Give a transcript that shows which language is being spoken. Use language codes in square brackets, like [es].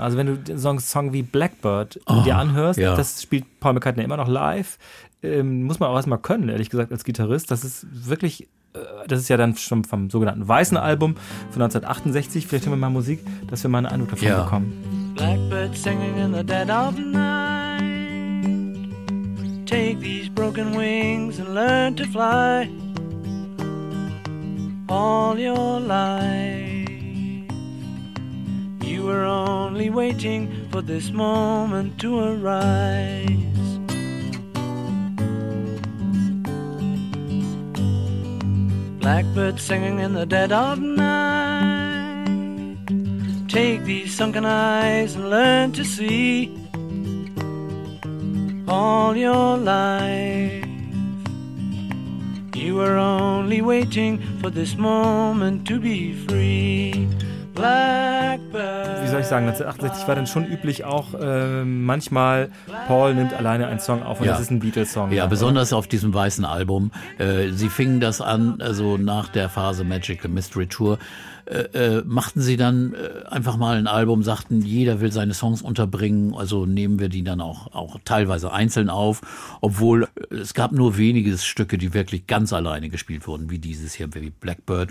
[de] Also wenn du so einen Song wie Blackbird dir anhörst, ja. Das spielt Paul McCartney immer noch live, muss man auch erstmal können, ehrlich gesagt, als Gitarrist. Das ist wirklich, das ist ja dann schon vom sogenannten Weißen Album von 1968. Vielleicht hören wir mal Musik, dass wir mal einen Eindruck davon bekommen. [en] Blackbird singing in the dead of night. Take these broken wings and learn to fly. All your life. You were only waiting for this moment to arise. Blackbird singing in the dead of night. Take these sunken eyes and learn to see. All your life. You were only waiting for this moment to be free. Blackbird. [de] Wie soll ich sagen, 1968 war dann schon üblich auch manchmal, Paul nimmt alleine einen Song auf und das ist ein Beatles-Song. Ja, besonders auf diesem Weißen Album. Sie fingen das an, also nach der Phase Magical Mystery Tour, machten sie dann einfach mal ein Album, sagten, jeder will seine Songs unterbringen, also nehmen wir die dann auch teilweise einzeln auf, obwohl es gab nur wenige Stücke, die wirklich ganz alleine gespielt wurden, wie dieses hier, wie Blackbird.